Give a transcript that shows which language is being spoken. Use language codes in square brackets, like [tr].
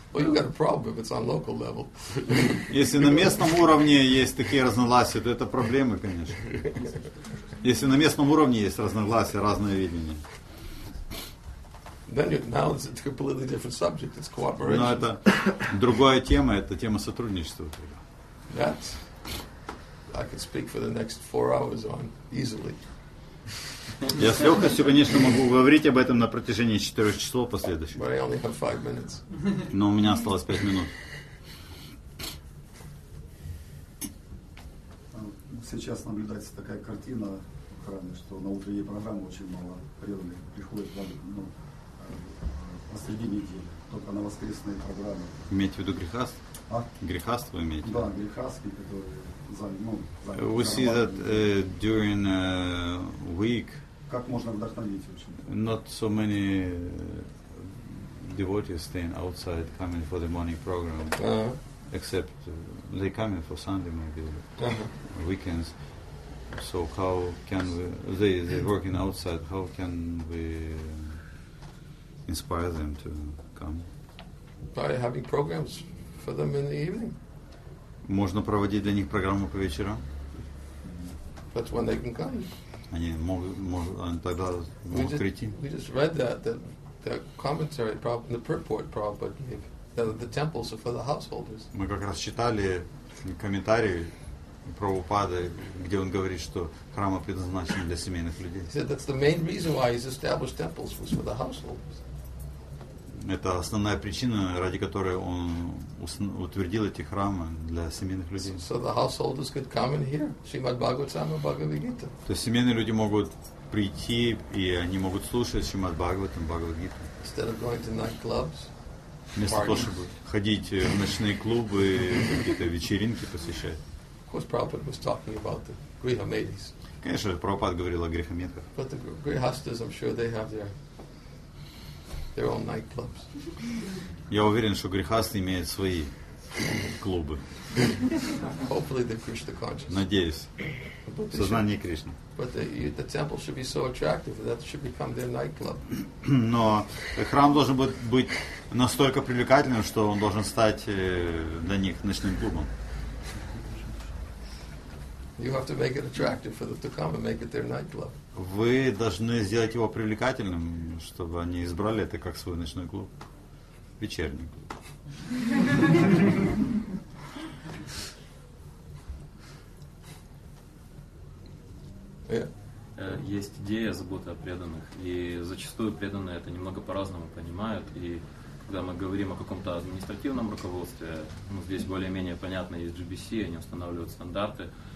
[en] Well, you got a problem if it's on local level. [ru] Если на местном уровне есть такие разногласия, то это проблемы, конечно. Если на местном уровне есть разногласия, разное видение. [en] Then now it's a completely different subject. It's cooperation. [ru] Но это другая тема, это тема сотрудничества. [en] That I could speak for the next 4 hours on easily. [ru] Я с легкостью, конечно, могу говорить об этом на протяжении 4 часов последующих. [en] But I only have 5 minutes. [ru] Но у меня осталось 5 минут. Сейчас наблюдается такая картина в храме, что на утренние программы очень мало преданных приходит вам, ну, посреди недели. Только на воскресные программы. Имеете в виду грехаст? А? Грехаст вы имеете? Да, грехастки, которые... [en] We see that during a week not so many devotees staying outside coming for the morning program except they come in for Sunday maybe weekends, so how can we, they're working outside, how can we inspire them to come? By having programs for them in the evening. [ru] Можно проводить для них программу по вечерам? [en] That's when they can come. [ru] Они могут, тогда могут прийти. [en] We just read that commentary, the purport Prabhupada gave, that the temples are for the householders. [ru] Мы как раз читали комментарии Прабхупады, где он говорит, что храмы предназначены для семейных людей. [en] He said that's the main reason why he's established temples was for the householders. [ru] Это основная причина, ради которой он утвердил эти храмы для семейных людей. [en] So the householders could come and hear Shrimad Bhagavatam and Bhagavad Gita. [ru] То есть семейные люди могут прийти и они могут слушать Shrimad Bhagavatam, Bhagavad Gita. [en] Instead of going to nightclubs, [ru] вместо того, чтобы ходить в ночные клубы, какие-то вечеринки посещать. [en] Of course, Prabhupada was talking about the grihamedis. [ru] Конечно, Прабхупада говорил о грихамедах. [en] But the grihasthas, I'm sure they have their own nightclubs. [ru] Я уверен, что грехасты имеют свои клубы. [en] Hopefully they're Krishna conscious. [ru] Надеюсь. Сознание Кришны. [en] But the temple should be so attractive that should become their nightclub. [ru] Но храм должен быть настолько привлекательным, что он должен стать для них ночным клубом. [en] You have to make it attractive for them to come and make it their nightclub. [ru] Вы должны сделать его привлекательным, чтобы они избрали это как свой ночной клуб, вечерний клуб. Есть идея заботы о преданных, и зачастую преданные это немного по-разному понимают, и когда мы говорим о каком-то административном руководстве, ну, здесь более-менее понятно, есть GBC, они устанавливают стандарты.